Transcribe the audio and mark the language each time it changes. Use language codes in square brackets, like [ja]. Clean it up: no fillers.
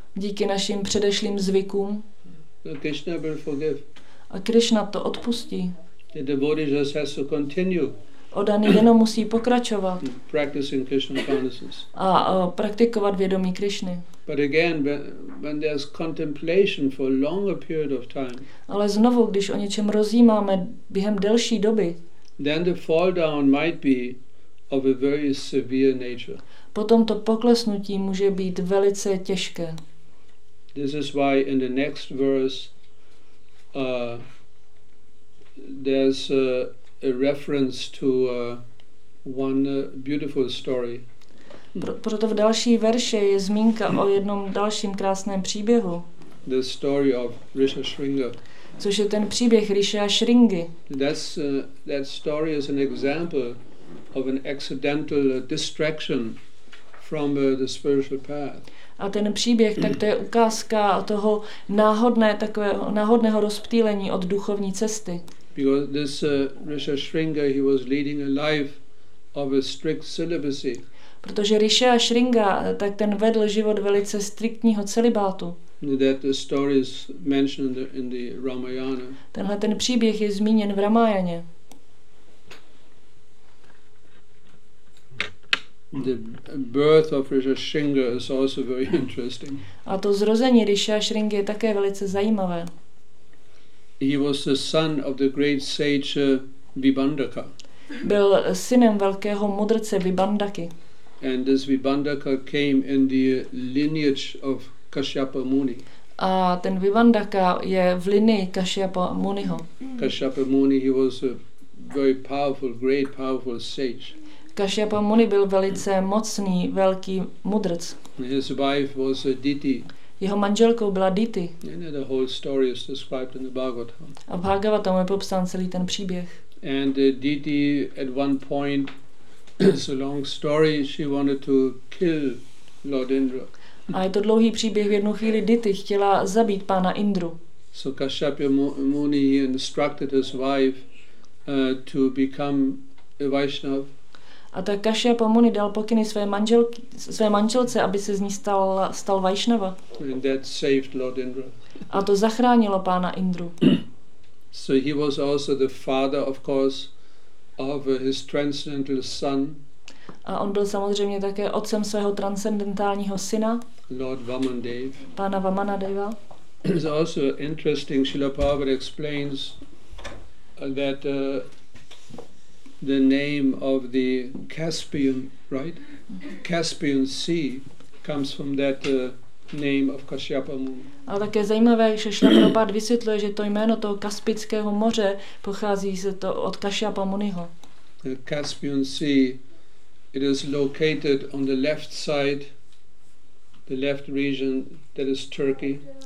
[cs] Díky našim předešlým zvykům. [en] Krishna will forgive. [cs] A Krishna to odpustí. [en] The devotee just has to continue. [cs] Oddaný jenom musí pokračovat. [en] Practicing Krishna consciousness. [cs] A praktikovat vědomí Krishny. [en] But again, when there's contemplation for a longer period of time. [cs] Ale znovu, když o něčem rozjímáme během delší doby. [en] Then the fall down might be of a very severe nature. [cs] Potom to poklesnutí může být velice těžké. [en] This is why in the next verse there's a reference to one beautiful story. [cs] Proto v další verši je zmínka o jednom dalším krásném příběhu. [en] The story of Risha Sringa. [cs] Což je ten příběh Risha Sringy. [en] That story is an example of an accidental distraction from the spiritual path. [cs] A ten příběh, tak to je ukázka toho náhodného rozptýlení od duchovní cesty. [en] Because this Risha Sringa, he was leading a life of a strict celibacy. [cs] Protože Risha Sringa, tak ten vedl život velice striktního celibátu. [en] That the story is mentioned in the Ramayana. [cs] Tenhle ten příběh je zmíněn v Ramayaně. [en] The birth of Risha Sringa is also very interesting. [cs] A to zrození Risha Sringy je také velice zajímavé. [en] He was the son of the great sage Vibandaka. [cs] Byl synem velkého mudrce Vibandaky. [en] And this Vibandaka came in the lineage of Kashyapa Muni. [cs] A ten Vibandaka je v linii Kashyapa Muniho. [en] Kashyapa Muni, he was a very powerful, great powerful sage. [cs] Kashyapa Muni byl velice mocný, velký mudrc. [en] His wife was a Diti. [cs] Jeho manželkou byla Diti. [en] The whole story is described in the Bhagavatam. [cs] A v Bhagavatam je popsán celý ten příběh. [en] And Diti at one point, it's a long story, she wanted to kill Lord Indra. [cs] A je to dlouhý příběh, v jednu chvíli Diti chtěla zabít pána Indru. [en] So Kashyapa Muni instructed his wife to become a Vaishnav. [cs] A tak Kashyapa Muni dal pokyny své manželce, aby se z ní stal Vaishnava. [en] And that saved Lord Indra. [cs] A to zachránilo pána Indru. [en] So he was also the father, of course, of his transcendental son. [cs] A on byl samozřejmě také otcem svého transcendentálního syna. [en] Lord Vamandev. [cs] Pána Vamanadeva. [en] It's also interesting. Srila Prabhupada explains that the name of the Caspian, right? Caspian Sea comes from that name of Kashyapa Muni. [cs] Ale také zajímavé, že Srila Prabhupada vysvětluje, že to jméno toho Kaspického moře pochází se to od Kashyapa Muniho. [en] The Caspian Sea, it is located on the left side, the left region, that is Turkey.